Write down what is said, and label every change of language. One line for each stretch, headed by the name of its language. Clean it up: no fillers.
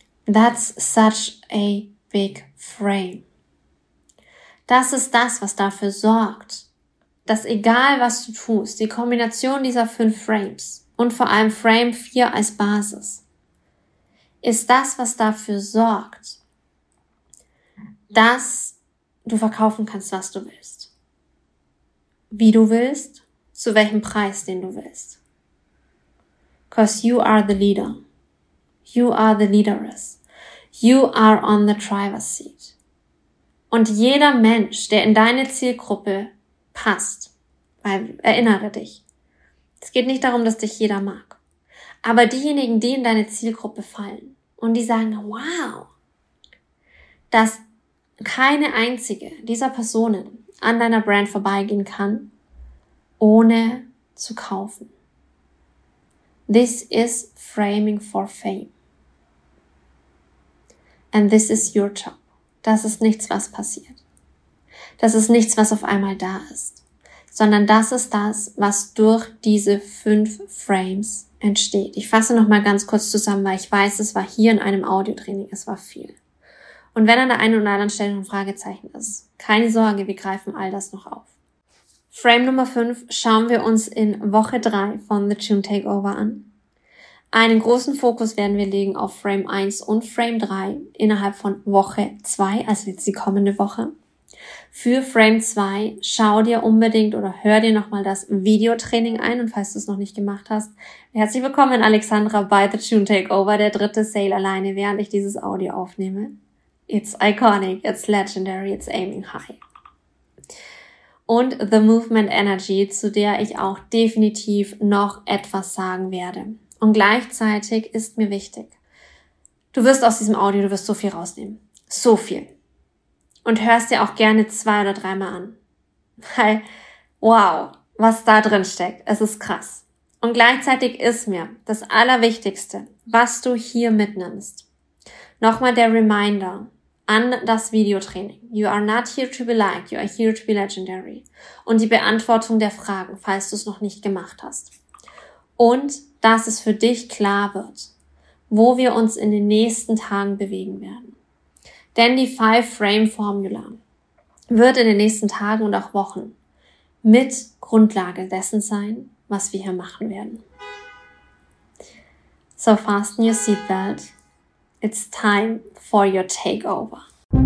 English: That's such a big frame.
German: Das ist das, was dafür sorgt, dass egal was du tust, die Kombination dieser 5 Frames und vor allem Frame 4 als Basis, ist das, was dafür sorgt, dass du verkaufen kannst, was du willst. Wie du willst, zu welchem Preis, den du willst.
English: Because you are the leader. You are the leaderess. You are on the driver's seat.
German: Und jeder Mensch, der in deine Zielgruppe passt, weil, erinnere dich, es geht nicht darum, dass dich jeder mag, aber diejenigen, die in deine Zielgruppe fallen und die sagen, wow, dass keine einzige dieser Personen an deiner Brand vorbeigehen kann, ohne zu kaufen.
English: This is framing for fame. And this is your job.
German: Das ist nichts, was passiert. Das ist nichts, was auf einmal da ist. Sondern das ist das, was durch diese 5 Frames entsteht. Ich fasse nochmal ganz kurz zusammen, weil ich weiß, es war hier in einem Audiotraining, es war viel. Und wenn an der einen oder anderen Stelle ein Fragezeichen ist, keine Sorge, wir greifen all das noch auf. Frame Nummer 5 schauen wir uns in Woche 3 von The June Takeover an. Einen großen Fokus werden wir legen auf Frame 1 und Frame 3 innerhalb von Woche 2, also jetzt die kommende Woche. Für Frame 2 schau dir unbedingt oder hör dir nochmal das Videotraining ein, und falls du es noch nicht gemacht hast, herzlich willkommen Alexandra bei The Tune Takeover, der dritte Sale alleine, während ich dieses Audio aufnehme.
English: It's iconic, it's legendary, it's aiming high.
German: Und The Movement Energy, zu der ich auch definitiv noch etwas sagen werde. Und gleichzeitig ist mir wichtig, du wirst aus diesem Audio, du wirst so viel rausnehmen. So viel. Und hörst dir auch gerne 2 oder 3 Mal an. Weil, wow, was da drin steckt. Es ist krass. Und gleichzeitig ist mir das Allerwichtigste, was du hier mitnimmst. Nochmal der Reminder an das Videotraining.
English: You are not here to be liked, you are here to be legendary.
German: Und die Beantwortung der Fragen, falls du es noch nicht gemacht hast. Und dass es für dich klar wird, wo wir uns in den nächsten Tagen bewegen werden. Denn die 5-Frame-Formula wird in den nächsten Tagen und auch Wochen mit Grundlage dessen sein, was wir hier machen werden.
English: So fasten your seatbelt. It's time for your takeover.